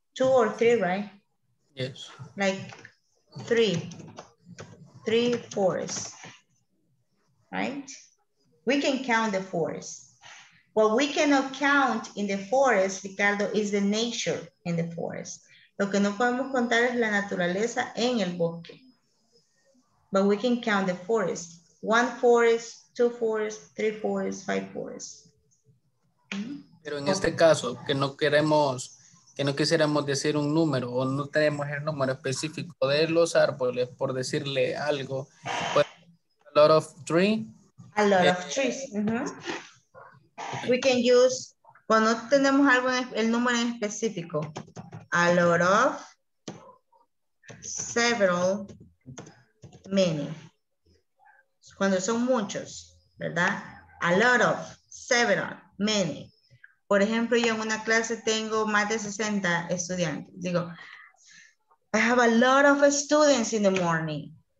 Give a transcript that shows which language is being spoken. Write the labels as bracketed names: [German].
[English] Two or three, right? Yes. Like three forests, right? We can count the forests. What we cannot count in the forest, Ricardo, is the nature in the forest. [Spanish] Lo que no podemos contar es la naturaleza en el bosque. [English] But we can count the forest. One forest, two forests, three forests, five forests. [Spanish] Mm-hmm. Pero en okay. Este caso, que no queremos... que no quisiéramos decir un número o no tenemos el número específico de los árboles, por decirle algo. [English] A lot of trees. A lot of trees. Mm-hmm. We can use, [Spanish] cuando tenemos algo en el número en específico, [English] a lot of, several, many. [Spanish] Cuando son muchos, ¿verdad? [English] A lot of, several, many. [Spanish] Por ejemplo, yo en una clase tengo más de 60 estudiantes. Digo, [English] I have a lot of students in the morning.